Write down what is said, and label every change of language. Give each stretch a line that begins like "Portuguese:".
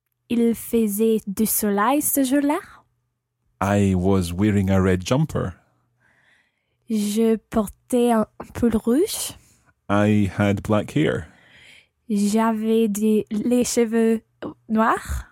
French: Il faisait du soleil ce jour-là.
English: I was wearing a red jumper.
French: Je portais un pull rouge.
English: I had black hair.
French: J'avais les cheveux noirs.